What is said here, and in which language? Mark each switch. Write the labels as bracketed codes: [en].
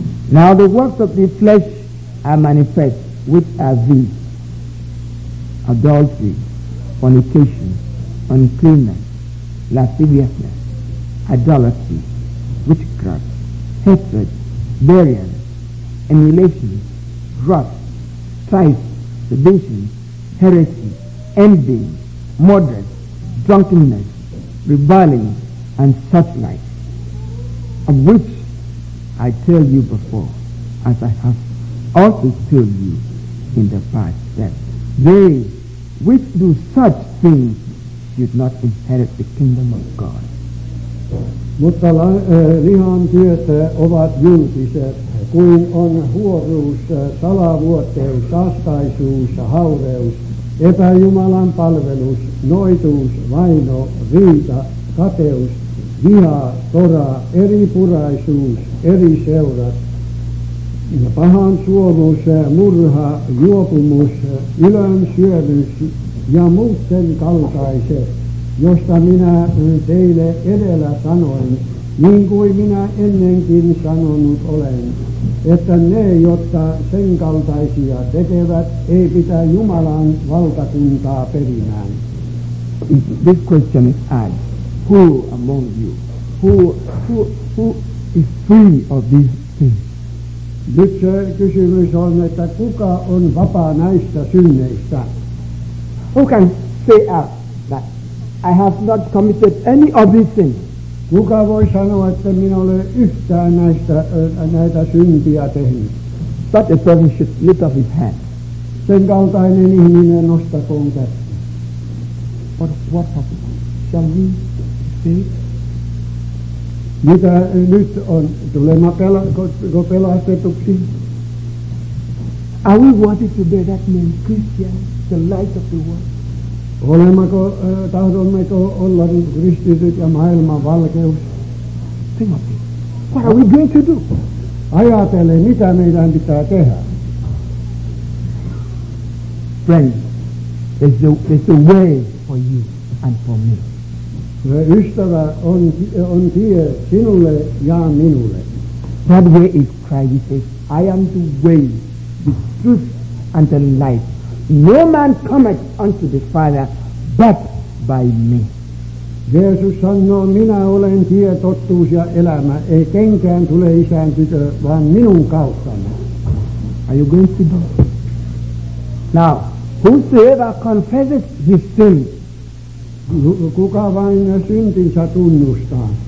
[en] Now the works of the flesh are manifest, which are these: adultery, fornication, uncleanness, lasciviousness, idolatry, witchcraft, hatred, variance, emulation, wrath, strife, sedition, heresy, envy, murder, drunkenness, reviling, and such like, of which I tell you before, as I have also told you in the past, that they which do such things should not inherit the kingdom of God. [fi] Mutta lihan työt ovat julkiset, kuin on huoruus, salavuotteus, kastaisuus, haureus, epäjumalan palvelus, noituus, vaino, riita, kateus, viha, tora, eripuraisuus, eri seurat, pahan suomus, murha, juopumus, ylön syömys ja muut sen kaltaiset, josta minä teille edellä sanoin, niin kuin minä ennenkin sanonut olen, että ne, jotka sen kaltaisia tekevät, ei pitä Jumalan valtakuntaa perimään. [en] This question is asked, who among you, who is free of these things? [fi] Nyt se kysymys on, että kuka on vapaa näistä synneistä? [en] Who can say that I have not committed any of these things? [fi] Kuka voi sanoa, että minä olen yhtään näitä syntiä tehnyt? [en] that a person should lift up his hand. [fi] Sen kaltainen ihminen nostakoon kättä. [en] But what happened? Shall we say? [fi] Mitä nyt on? Tulemme pelastetuksi? [en] Are we worthy to be that man, Christian, the light of the world? [fi] Olemmeko, tahdommeko olla kristityt ja maailman valkeus? [en] Think of it. What are we going to do? [fi] Ajatele, mitä meidän pitää tehdä. [en] Friend, it's the way for you and for me. [fi] Ystävä, on tie sinulle ja minulle. [en] That way is Christ. He says, I am the way, the truth, and the life. No man cometh unto the Father but by me. [fi] Jeesus sanoo, minä olen tie, totuus ja elämä. Ei kenkään tule isän tykö, vaan minun kauttani. [en] Are you going to do it? Now, whosoever confesses his sin, [fi] kuka vain syntinsä tunnustaa.